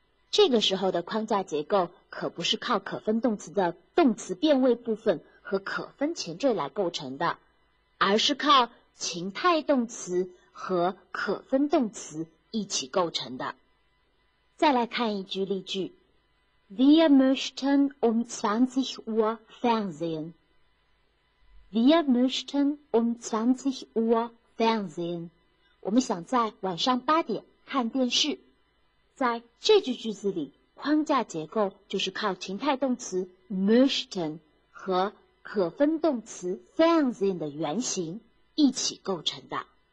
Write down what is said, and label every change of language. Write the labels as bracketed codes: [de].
[zh] 这个时候的框架结构可不是靠可分动词的动词变位部分和可分前缀来构成的，而是靠情态动词和可分动词一起构成的。再来看一句例句。 [de] Wir möchten um 20 Uhr Fernsehen. Wir möchten um 20 Uhr Fernsehen. [zh] 我们想在晚上八点看电视。在这句句子里，框架结构就是靠情态动词 möchten 和可分动词 Fernsehen 的原型一起构成的。